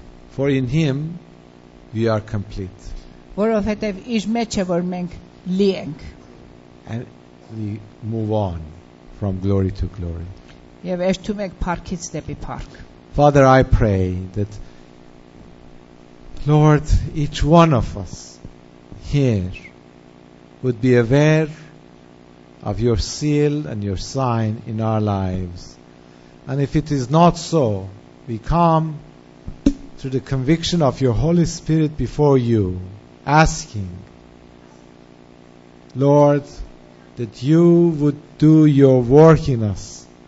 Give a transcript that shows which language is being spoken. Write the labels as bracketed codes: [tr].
[en] For in him we are complete. [hy] Որովհետև իր մեջ է որ մենք լի ենք. [en] And we move on from glory to glory. [hy] Եվ աշխում ենք փառքից դեպի փառք. [en] Father, I pray that Lord, each one of us here would be aware of your seal and your sign in our lives. And if it is not so, we come through the conviction of your Holy Spirit before you, asking, Lord, that you would do your work in us.